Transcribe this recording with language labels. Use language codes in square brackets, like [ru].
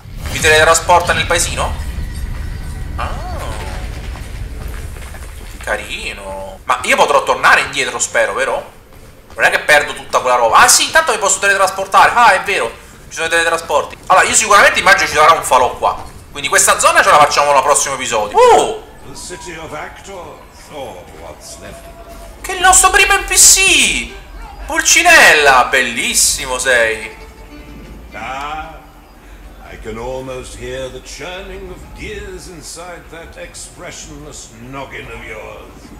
[it] Mi teletrasporta nel paesino? Ah, carino. Ma io potrò tornare indietro, spero, vero? Non è che perdo tutta quella roba. Ah sì, intanto mi posso teletrasportare. Ah, è vero, ci sono i teletrasporti. Allora, io sicuramente immagino ci sarà un falò qua. Quindi questa zona ce la facciamo al prossimo episodio. [en] The city of Actor, or what's left. [it] Che è il nostro primo NPC! Pulcinella, bellissimo sei. [en] Ah, I can almost hear the churning of gears inside that expressionless noggin of yours.